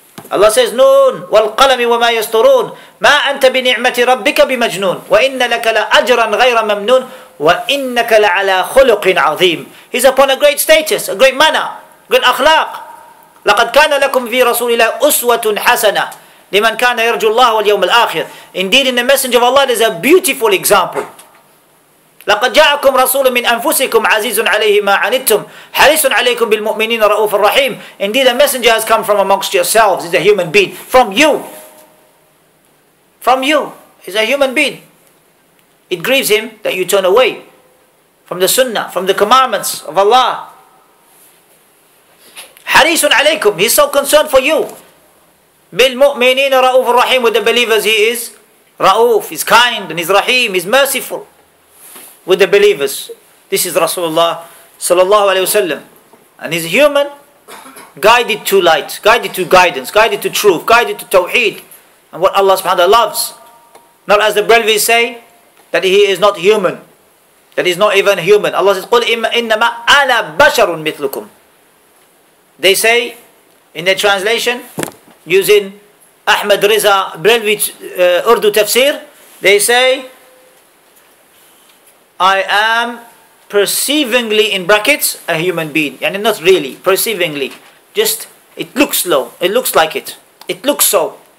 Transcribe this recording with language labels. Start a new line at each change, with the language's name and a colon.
English: Allah says, Noon,
Arabic: وَالْقَلَمِ وَمَا يَسْطُرُونَ مَا أَنْتَ بِنِعْمَةِ رَبِّكَ بِمَجْنُونَ وَإِنَّ لَكَ لَأَجْرًا غَيْرَ مَمْنُونَ وَإِنَّكَ لَعَلَىٰ خُلُقٍ عَظِيمٍ.
English: He's upon a great status, a great manner, good akhlaq.
Arabic: لَقَدْ كَانَ لَكُمْ فِي رَسُولِ اللَّهِ أُسْوَةٌ حَسَنَةٌ لِمَنْ كَانَ يَرْجُو اللَّهَ وَالْيَوْمَ الْآخِرِ.
English: Indeed, in the Messenger of Allah, there's a beautiful example.
Arabic: لَقَدْ جَاءَكُمْ رَسُولٌ مِنْ أَنفُسِكُمْ عَزِيزٌ عَلَيْهِ مَا عَنِتُّمْ حَرِيصٌ عَلَيْكُمْ بِالْمُؤْمِنِينَ رَؤُوفٌ رَحِيمٌ.
English: Indeed, a messenger has come from amongst yourselves. He's a human being. From you. He's a human being. It grieves him that you turn away from the sunnah, from the commandments of Allah.
Arabic: حَرِيصٌ عَلَيْكُمْ.
English: He's so concerned for you.
Arabic: بِالْمُؤْمِنِينَ رَؤُوفٌ رَحِيمٌ.
English: With the believers, he is Ra'uf. He's kind and he's Rahim. He's merciful. With the believers. This is Rasulullah sallallahu alayhi wa sallam. And he's human, guided to light, guided to guidance, guided to truth, guided to tawheed, and what Allah subhanahu wa ta'ala loves. Not as the Brelvis say, that he is not human, that he's not even human. Allah says,
Arabic: قُلْ إِنَّمَا أَنَا بَشَرٌ مِثْلُكُمْ.
English: They say, in their translation, using Ahmed Riza Brelvi Urdu tafsir, they say, I am perceivingly, in brackets, a human being. Yani not really, perceivingly. Just, it looks low. It looks like it. It looks so.